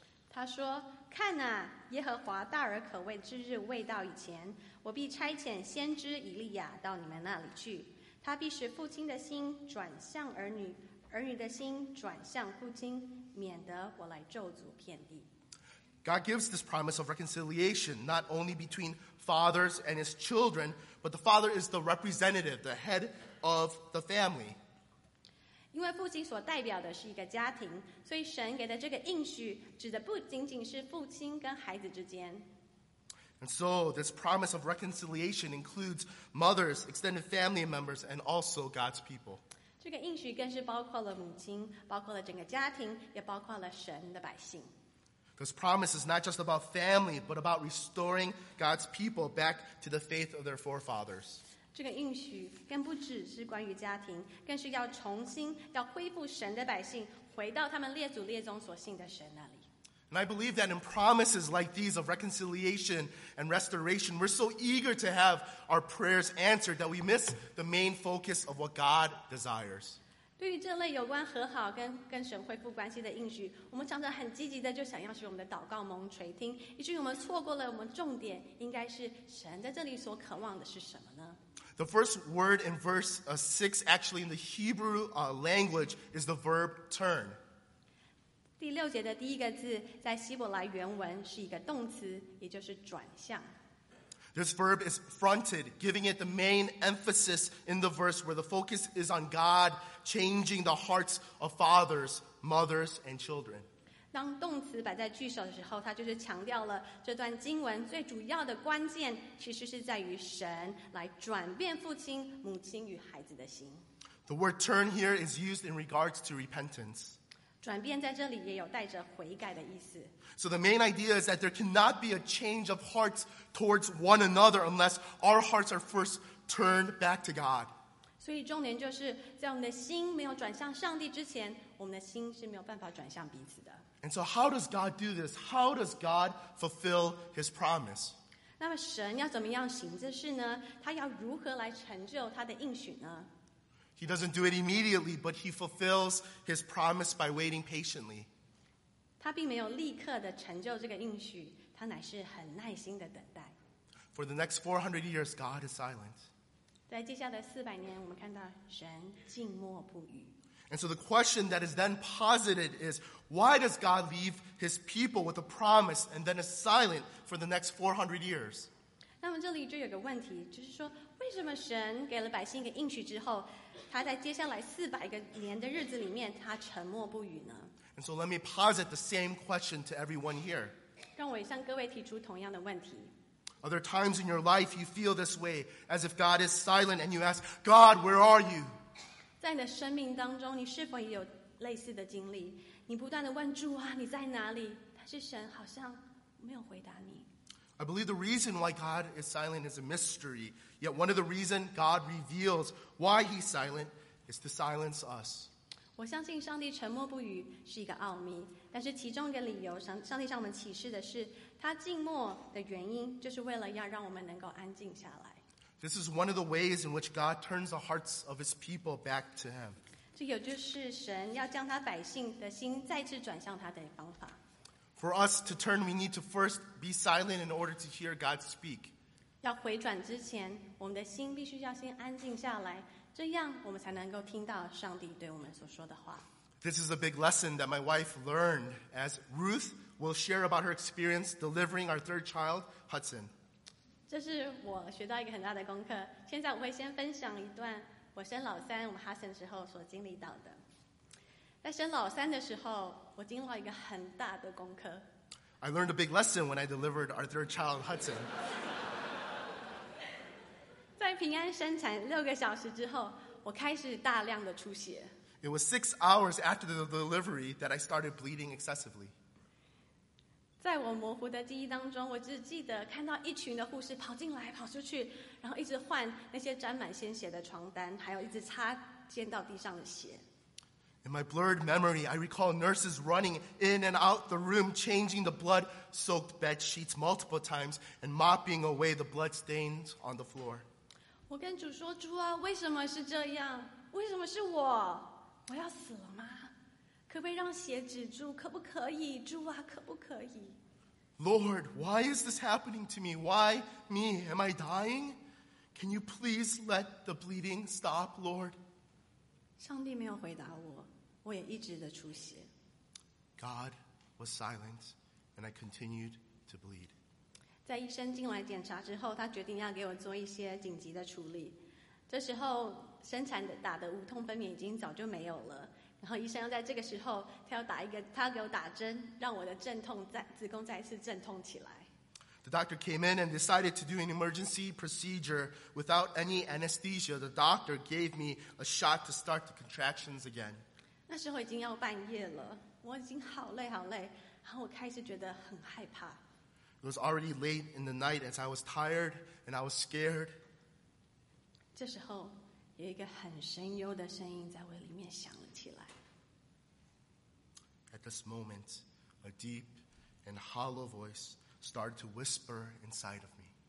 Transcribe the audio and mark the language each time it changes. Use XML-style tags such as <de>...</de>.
<zh>他说,看啊,耶和华大而可畏之日未到以前,我必差遣先知以利亚到你们那里去,他必使父亲的心转向儿女,儿女的心转向父亲,免得我来咒诅遍地。</zh> <en>God gives this promise of reconciliation, not only between fathers and his children, but the father is the representative, the head of the family.</en> <zh>因为父亲所代表的是一个家庭，所以神给的这个应许指的不仅仅是父亲跟孩子之间。</zh> <en>And so this promise of reconciliation includes mothers, extended family members, and also God's people.</en> <zh>这个应许更是包括了母亲，包括了整个家庭，也包括了神的百姓。</zh> <en>This promise is not just about family, but about restoring God's people back to the faith of their forefathers.</en> <zh>这个应许更不只是关于家庭，更是要重新要恢复神的百姓回到他们列祖列宗所信的神那里。</zh> <en>And I believe that in promises like these of reconciliation and restoration, we're so eager to have our prayers answered that we miss the main focus of what God desires.</en> <zh>对于这类有关和好跟神恢复关系的应许，我们常常很积极的就想要使我们的祷告蒙垂听，以至于我们错过了我们重点应该是神在这里所渴望的是什么呢？</zh> <en>The first word in verse 6 actually in the Hebrew language is the verb turn.</en> <zh>第六节的第一个字在希伯来原文是一个动词，也就是转向。</zh> <en>This verb is fronted, giving it the main emphasis in the verse where the focus is on God changing the hearts of fathers, mothers, and children.</en> <zh>当动词摆在句首的时候，它就是强调了这段经文最主要的关键其实是在于神来转变父亲、母亲与孩子的心。</zh> <en>The word turn here is used in regards to repentance.</en> <zh>转变在这里也有带着悔改的意思。</zh> <en>So the main idea is that there cannot be a change of hearts towards one another unless our hearts are first turned back to God.</en> <zh>所以重点就是在我们的心没有转向上帝之前，我们的心是没有办法转向彼此的。</zh> <en>And so how does God do this? How does God fulfill His promise?</en> <zh>那么神要怎么样行这事呢？他要如何来成就他的应许呢？</zh> <en>He doesn't do it immediately, but he fulfills his promise by waiting patiently.</en> <zh>他并没有立刻地成就这个应许，他乃是很耐心地等待。</zh> <en>For the next 400 years, God is silent.</en> <zh>在接下来400年，我们看到神静默不语。</zh> <en>And so the question that is then posited is, why does God leave his people with a promise and then is silent for the next 400 years?</en> <zh>那么这里就有个问题，就是说，为什么神给了百姓一个应许之后，他在接下来四百个年的日子里面，他沉默不语呢？</zh> <en>And so let me posit the same question to everyone here.</en> <zh>让我也向各位提出同样的问题。</zh> <en>Are there times in your life you feel this way, as if God is silent and you ask, God, where are you?</en> <zh>在你的生命当中，你是否也有类似的经历？你不断地问主啊，你在哪里？但是神好像没有回答你。</zh> <en>I believe the reason why God is silent is a mystery. Yet one of the reasons God reveals why he's silent is to silence us.</en> <zh>我相信上帝沉默不语是一个奥秘，但是其中一个理由，上帝向我们启示的是，他静默的原因就是为了要让我们能够安静下来。</zh> <en>This is one of the ways in which God turns the hearts of his people back to him.</en> <zh>这也就是神要将他百姓的心再次转向他的方法。</zh> <en>For us to turn, we need to first be silent in order to hear God speak.</en> <zh>要回转之前，我们的心必须要先安静下来，这样我们才能够听到上帝对我们所说的话。</zh> <en>This is a big lesson that my wife learned as Ruth will share about her experience delivering our third child, Hudson.</en> <zh>这是我学到一个很大的功课。现在我会先分享一段我生老三，我们 Hudson 时候所经历到的。在生老三的时候，我经历了一个很大的功课。</zh> <en>I learned a big lesson when I delivered our third child, Hudson.</en> <zh>在平安生产六个小时之后，我开始大量的出血。</zh> <en>It was 6 hours after the delivery that I started bleeding excessively.</en> <zh>在我模糊的记忆当中，我只记得看到一群的护士跑进来、跑出去，然后一直换那些沾满鲜血的床单，还有一直擦溅到地上的血。</zh> <en>In my blurred memory, I recall nurses running in and out the room, changing the blood-soaked bed sheets multiple times and mopping away the blood stains on the floor.</en> <zh>我跟主说，主啊，为什么是这样？为什么是我？我要死了吗？可不可以让血止住？可不可以？主啊，可不可以？</zh> <en>Lord, why is this happening to me? Why me? Am I dying? Can you please let the bleeding stop, Lord?</en> <zh>上帝没有回答我，我也一直的出血。</zh> <en>God was silent, and I continued to bleed.</en> <zh>在医生进来检查之后，他决定要给我做一些紧急的处理。这时候，生产的打的无痛分娩已经早就没有了，然后医生要在这个时候他要给我打针，让我的阵痛子宫再次阵痛起来。</zh> <en>The doctor came in and decided to do an emergency procedure without any anesthesia. The doctor gave me a shot to start the contractions again.</en> <zh>那时候已经要半夜了，我已经好累好累，然后我开始觉得很害怕。</zh> <en>It was already late in the night as I was tired and I was scared.</en> <zh>这时候有一个很神幽的声音在我里面响了起来。</zh> <en>At this moment, a deep and hollow voice started to whisper inside of me.</en>